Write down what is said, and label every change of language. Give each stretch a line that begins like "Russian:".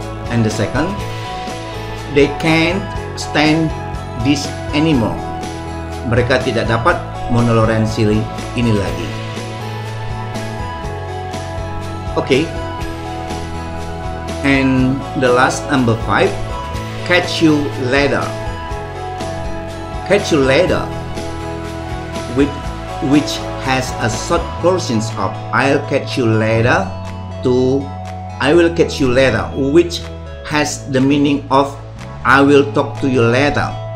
English: And the second, they can't stand this anymore.
Indonesian: Mereka tidak dapat menoleransi ini lagi.
English: Okay. And the last, number 5, catch you later. Catch you later which has a short version of I'll catch you later to I will catch you later, which has the meaning of I will talk to you later.